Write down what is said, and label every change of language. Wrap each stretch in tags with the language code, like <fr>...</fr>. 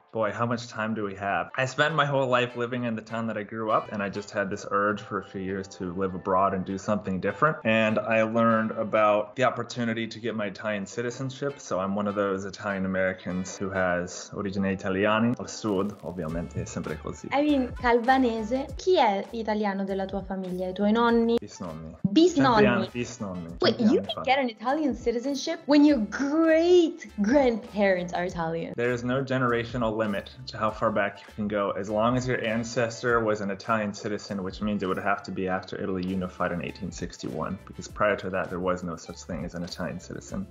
<en>Boy, how much time do we have? I spent my whole life living in the town that I grew up, and I just had this urge for a few years to live abroad and do something different. And I learned about the opportunity to get my Italian citizenship. So I'm one of those Italian Americans who has</en> <it>origine italiani. Al sud, ovviamente, è sempre così.</it> <en>I mean,</en> <it>Calvanese, chi è italiano della tua famiglia? I tuoi nonni? Bisnonni. Bisnonni. Bisnonni.</it> <en>Wait, you can get an Italian citizenship when your great grandparents are Italian? There is no generational limit to how far back you can go, as long as your ancestor was an Italian citizen, which means it would have to be after Italy unified in 1861, because prior to that there was no such thing as an Italian citizen.</en>